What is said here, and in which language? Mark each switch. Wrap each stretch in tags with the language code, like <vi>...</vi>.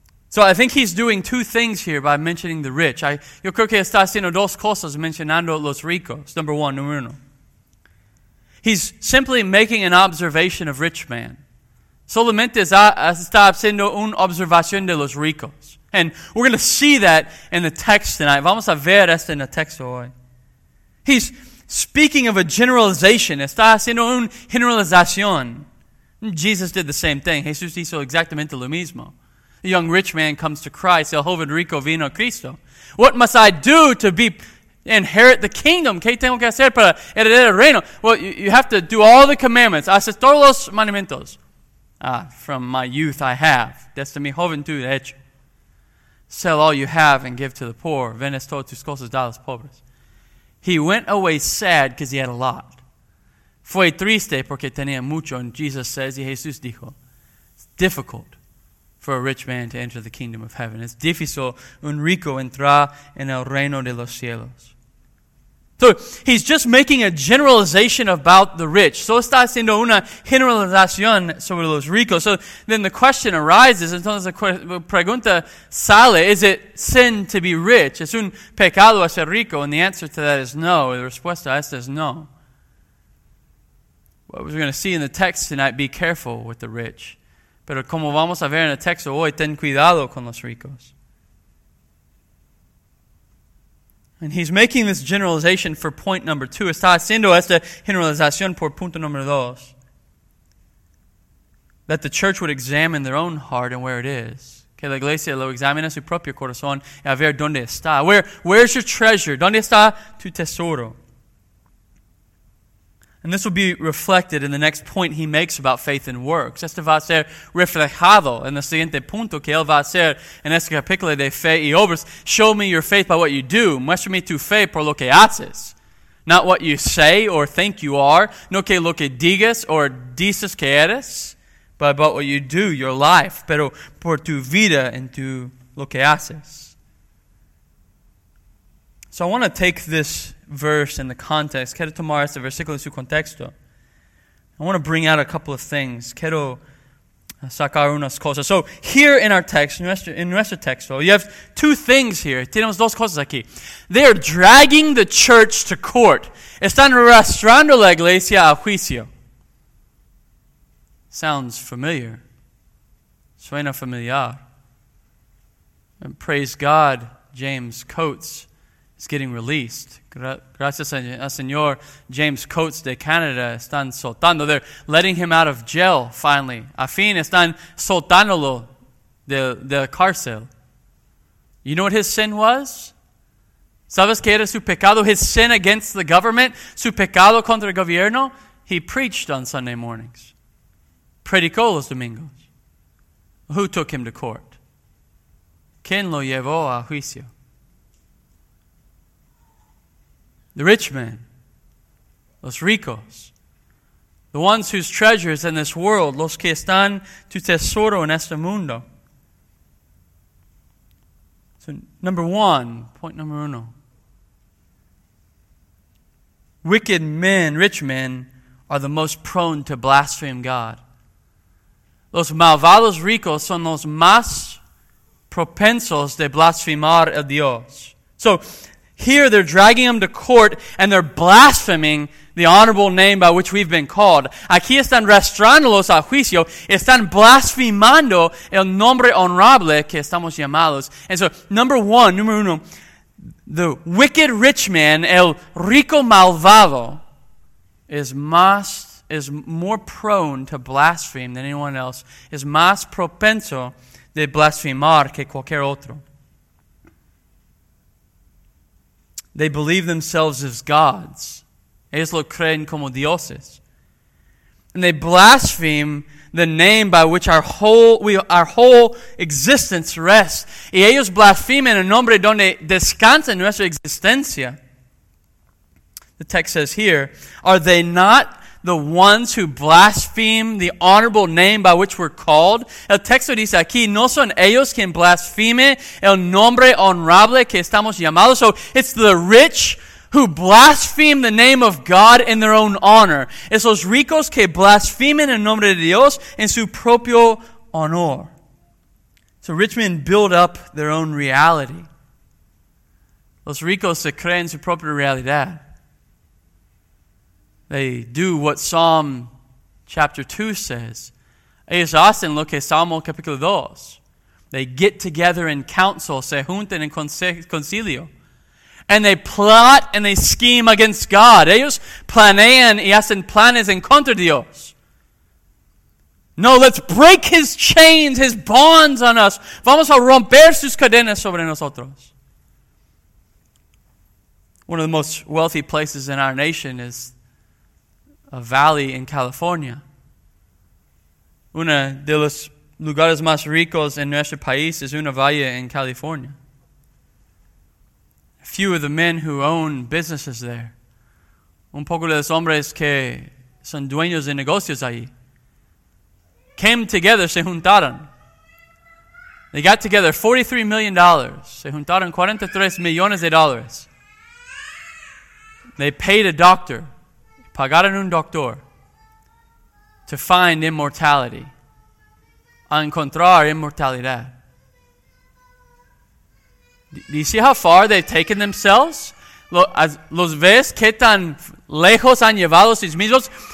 <en>So I think he's doing two things here by mentioning the rich.</en> <es>Yo creo que está haciendo dos cosas mencionando los ricos.</es> <en>Number one,</en> <es>número uno.</es> <en>He's simply making an observation of rich man.</en> <es>Solamente está haciendo una observación de los ricos.</es> <en>And we're going to see that in the text tonight.</en> <es>Vamos a ver esto en el texto hoy.</es> <en>He's speaking of a generalization,</en> <es>está haciendo una generalización.</es> <en>Jesus did the same thing.</en> <es>Jesús hizo exactamente lo mismo.</es> <en>The young rich man comes to Christ.</en> <es>El joven rico vino a Cristo.</es> <en>What must I do to be inherit the kingdom?</en> <es>¿Qué tengo que hacer para heredar el reino?</es> <en>Well, you have to do all the commandments.</en> <es>Haces todos los mandamientos.</es> <en>From my youth I have.</en> <es>Desde mi juventud he hecho.</es> <en>Sell all you have and give to the poor.</en> <es>Vendes todas tus cosas, da a los pobres.</es> <en>He went away sad because he had a lot.</en> <es>Fue triste porque tenía mucho.</es> <en>And Jesus says,</en> <es>y Jesús dijo,</es> <en>it's difficult for a rich man to enter the kingdom of heaven.</en> <es>Es difícil un rico entrar en el reino de los cielos.</es> <en>So he's just making a generalization about the rich.</en> <es>So está haciendo una generalización sobre los ricos.</es> <en>So then the question arises,</en> <es>entonces la pregunta sale,</es> <en>is it sin to be rich?</en> <es>¿Es un pecado ser rico?</es> <en>And the answer to that is no.</en> <es>The respuesta a esta es no.</es> <en>What we're going to see in the text tonight, be careful with the rich.</en> <es>Pero como vamos a ver en el texto hoy, ten cuidado con los ricos.</es> <en>And he's making this generalization for point number two.</en> <es>Está haciendo esta generalización por punto número dos.</es> <en>That the church would examine their own heart and where it is.</en> <es>Que la iglesia lo examine su propio corazón y a ver dónde está.</es> <en>Where's your treasure?</en> <es>¿Dónde está tu tesoro?</es> <en>And this will be reflected in the next point he makes about faith and works.</en> <es>Esto va a ser reflejado en el siguiente punto que él va a hacer en este capítulo de fe y obras.</es> <en>Show me your faith by what you do.</en> <es>Muéstrame tu fe por lo que haces.</es> <en>Not what you say or think you are.</en> <es>No que lo que digas or dices que eres.</es> <en>But about what you do, your life.</en> <es>Pero por tu vida en tu lo que haces.</es> <en>So I want to take this verse in the context.</en> <es>Quiero tomar este versículo en su contexto.</es> <en>I want to bring out a couple of things.</en> <es>Quiero sacar unas cosas.</es> <en>So here in our text, in</en> <es>nuestro texto,</es> <en>you have two things here.</en> <es>Tenemos dos cosas aquí.</es> <en>They are dragging the church to court.</en> <es>Están arrastrando la iglesia a juicio.</es> <en>Sounds familiar.</en> <es>Suena familiar.</es> <en>And praise God, James Coates is getting released.</en> <es>Gracias a Señor James Coates de Canadá, están soltando.</es> <en>They're letting him out of jail, finally.</en> <es>A fin, están soltándolo de cárcel.</es> <en>You know what his sin was?</en> <es>¿Sabes qué era su pecado?</es> <en>His sin against the government?</en> <es>Su pecado contra el gobierno?</es> <en>He preached on Sunday mornings.</en> <es>Predicó los domingos.</es> <en>Who took him to court?</en> <es>¿Quién lo llevó a juicio?</es> <en>The rich man,</en> <es>los ricos,</es> <en>the ones whose treasure is in this world,</en> <es>los que están tu tesoro en este mundo.</es> <en>So, point number uno. Wicked men, rich men, are the most prone to blaspheme God.</en> <es>Los malvados ricos son los más propensos de blasfemar a Dios.</es> <en>So, here they're dragging them to court and they're blaspheming the honorable name by which we've been called.</en> <es>Aquí están arrastrándolos a juicio. Están blasfemando el nombre honorable que estamos llamados.</es> <en>And so, number uno, the wicked rich man,</en> <es>el rico malvado,</es> <en>is more prone to blaspheme than anyone else.</en> <es>Is más propenso de blasfemar que cualquier otro.</es> <en>They believe themselves as gods.</en> <es>Ellos lo creen como dioses.</es> <en>And they blaspheme the name by which our whole existence rests.</en> <es>Y ellos blasfeman el nombre donde descansa nuestra existencia.</es> <en>The text says here, are they not the ones who blaspheme the honorable name by which we're called?</en> <es>El texto dice aquí, no son ellos quien blasfeme el nombre honorable que estamos llamados.</es> <en>So it's the rich who blaspheme the name of God in their own honor.</en> <es>Es los ricos que blasfemen el nombre de Dios en su propio honor.</es> <en>So rich men build up their own reality.</en> <es>Los ricos se creen su propia realidad.</es> <en>They do what Psalm chapter 2 says.</en> <es>Ellos hacen lo que Salmo capítulo 2.</es> <en>They get together in council,</en> <es>se juntan en concilio.</es> <en>And they plot and they scheme against God.</en> <es>Ellos planean y hacen planes en contra de Dios.</es> <en>No, let's break his chains, his bonds on us.</en> <es>Vamos a romper sus cadenas sobre nosotros.</es> <en>One of the most wealthy places in our nation is a valley in California.</en> <es>Una de los lugares más ricos en nuestro país es una valle en California.</es> <en>Few of the men who own businesses there.</en> <es>Un poco de los hombres que son dueños de negocios allí.</es> <en>Came together,</en> <es>se juntaron.</es> <en>They got together $43 million.</en> <es>Se juntaron $43 millones.</es> <en>They paid a doctor.</en> <es>Pagaron un doctor.</es> <en>To find immortality.</en> <es>A encontrar inmortalidad.</es> <en>Do you see how far they've taken themselves?</en> <es>¿Los ves qué tan lejos han llevado sus mismos?</es>